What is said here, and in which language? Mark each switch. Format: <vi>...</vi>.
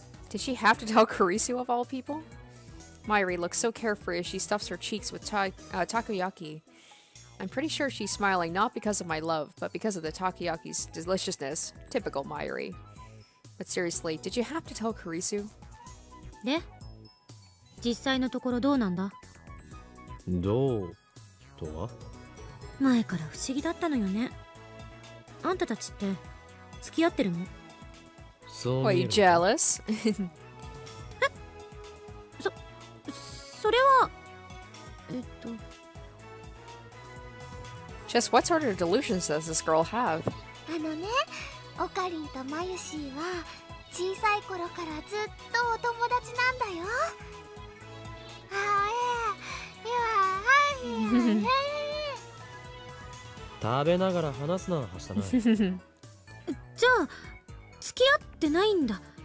<en>Did she have to tell Carisu of all people? Mayuri looks so carefree as she stuffs her cheeks with takoyakiI'm pretty sure she's smiling not because of my love, but because of the takoyaki's deliciousness. Typical Mayuri. But seriously, did you have to tell Carisu?</en> <ja>で? 実際のところどうなんだ? どう?とは? 前から不思議だったのよね。あんたたちって、付き合ってるの? そう見える。</ja> <en>Are you jealous?</en> <ja>え? それは…</ja> <en>Just what sort of delusions does this girl have?</en> <ja>あのね、オカリンとマユシーは小さい頃からずっとお友達なんだよ。あーえー、いやー、はい、いやー、いやー。食べながら話すのははしたない。じゃあ、付き合ってないんだ。</ja>